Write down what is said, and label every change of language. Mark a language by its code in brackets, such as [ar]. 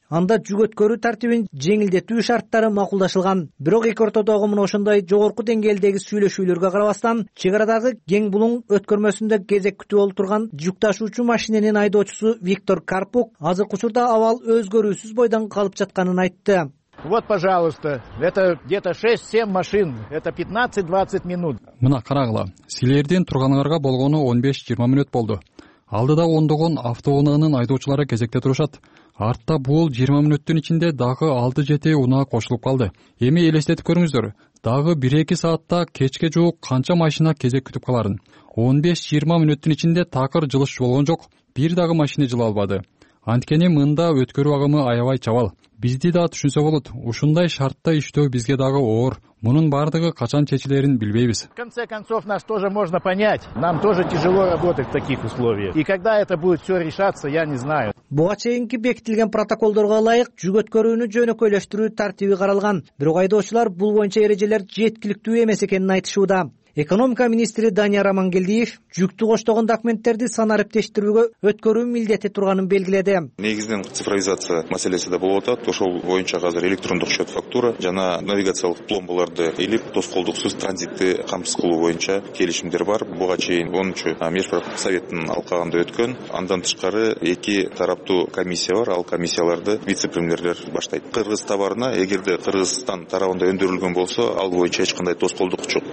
[ky] Анда жүк өткөрүү тартибин жеңилдетүү шарттары макулдашылган. Бирок эки ортодогу мына ошондой жогорку деңгээлдеги сүйлөшүүлөргө карабастан, чек арадагы кең булуң өткөрмөсүндө кезек күтүп отурган жүк ташуучу машиненин айдоочусу Виктор Карпук азыркы учурда абал өзгөрүүсүз бойдон калып жатканын айтты. [ru] Вот, пожалуйста, это где-то 6-7 машин, это 15-20 минут. [ky] Мына карагыла, силердин турганыңарга болгону 15-20 мүнөт болду. Алдыда ондогон автоунаанын айдоочулары кезекте турушат. Артта бул 20 мүнөттүн ичинде дагы 6-7 унаа кошулуп калды. Эми элестетип көрүңүздөр, дагы 1-2 саатта кечке жуук канча машина кезек күтүп каларын. 15-20 мүнөттүн ичинде такыр жылыш болгон жок, бир дагы машина жыла албады. Анткени мында өткөрүү агымы аябай чабал. Бизди да түшүнсө болот, ушундай шартта иштөө бизге дагы оор. Мунун бардыгы качан чечилерин билбейбиз. [ru] В конце концов, нас тоже можно понять. Нам тоже тяжело работать в таких условиях. И когда это будет все решаться, я не знаю. [ky] Буга чейинки бекитилген протоколдорго ылайык, жүк өткөрүүнү жөнөкөйлөштүрүү тартиби каралган. Бирок айдоочулар бул боюнча эрежелер жеткиликтүү эмес экенин айтышууда. Экономика министри Данияр Амангелдиев жүктү коштогон документтерди санариптештирүүгө өткөрүү милдети турганын белгиледи. Негизинен цифровизация маселеси да болуп атат. Ошол боюнча азыр электрондук счет фактура жана навигациялык пломбаларды илип тоскоолдуксуз транзитти камсыз кылуу боюнча келишимдер бар. Буга чейин 10-чу межпартсоветтин алкагында өткөн. Андан тышкары эки тараптуу комиссия бар. Ал комиссияларды вице-премьерлер баштайт. Кыргыз товарына эгерде Кыргызстан тарабында өндүрүлгөн болсо, ал боюнча эч кандай тоскоолдук жок.